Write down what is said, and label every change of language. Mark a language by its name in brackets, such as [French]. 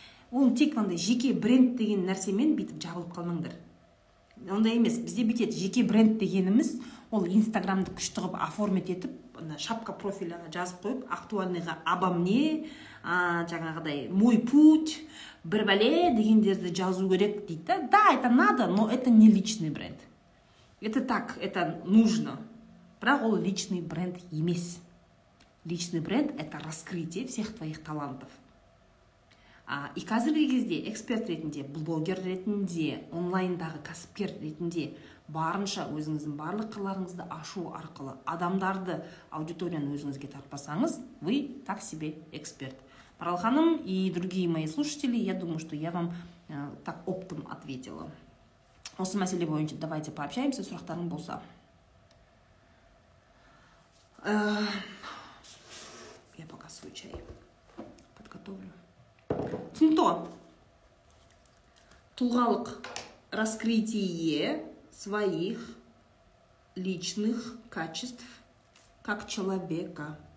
[Kazakh] Ол тек ондай жеке бренд деген нәрсемен бітіп жабылып қалмаңдар. Ондай емес, бізде бітеді жеке бренд дегеніміз, ол Инстаграмды күшті қып оформит етіп, шапка профиліне жазып қойып, актуальныйға «Аба мне», жаңағыдай [Russian] «Мой путь», [Kazakh] «Бір бәле» дегендерді жазу керек дейді. [Russian] Да, это надо, но это не личный бренд. Это так, это нужно. [Kazakh] Бірақ ол [Russian] личный бренд [Kazakh] емес. [Russian] Личный бренд – это раскрытие всех твоих талантов. [Kazakh] И қазіргі кезде эксперт ретінде, блогер ретінде, онлайндағы кәсіпкер ретінде барынша өзіңіздің барлық қырларыңызды ашу арқылы адамдарды, аудиторияны өзіңізге тартпасаңыз, [Russian] вы так себе эксперт. Марал ханым и другие мои слушатели, я думаю, что я вам так оптом ответила. [Kazakh] Осы мәселе бойынша [Russian] давайте пообщаемся, [Kazakh] сұрақтарың болса. [Russian] Я пока свой чай подготовлю. Түнто, [Kazakh] тұлғалық [Russian] раскрытие своих личных качеств как человека.